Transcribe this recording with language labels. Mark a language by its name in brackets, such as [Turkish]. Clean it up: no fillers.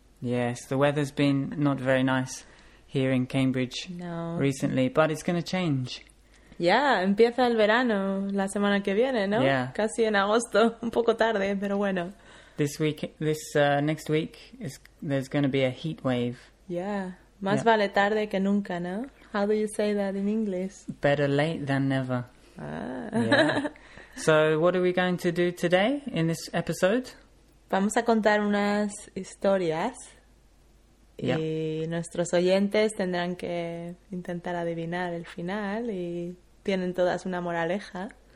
[English] Yes, the weather's been not very nice here in Cambridge recently, but it's going to change. [Spanish] Yeah, empieza el verano la semana que viene, ¿no? [English] Yeah. [Spanish] Casi en agosto, un poco tarde, pero bueno. [English] This next week, there's going to be a heat wave. Yeah, más yep. [Spanish] Vale tarde que nunca, ¿no? [English] How do you say that in English? Better late than never. Ah. Yeah. So what are we going to do today in this episode? [Spanish] Vamos a contar unas historias [English] yep. [Spanish] Y nuestros oyentes tendrán que intentar adivinar el final y tienen todas una moraleja.